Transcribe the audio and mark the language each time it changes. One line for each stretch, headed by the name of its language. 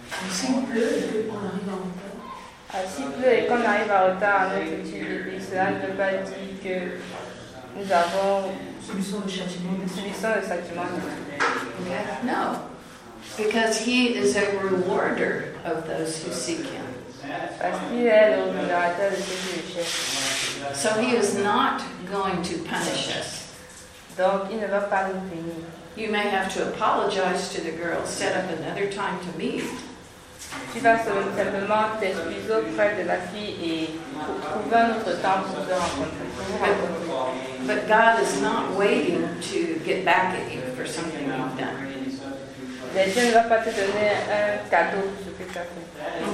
French: S'il pleut et qu'on arrive en retard à notre étude biblique, cela ne veut pas dire que nous avons Subissons le châtiment de Dieu. Subissons le châtiment de Dieu.
English: No. Because he is a rewarder of those who seek him.
French: Parce qu'il est le rewardeur de ceux qui le cherchent.
English: So he is not going to punish us.
French: Donc il ne va pas nous punir.
English: You may have to apologize to the girl, set up another time to meet.
French: Tu vas simplement t'excuser auprès de la fille et trouver un autre temps pour te rencontrer.
English: But God is not waiting to get back at you for something you've done.
French: Mais Dieu ne va pas te donner un cadeau pour ce que tu as fait.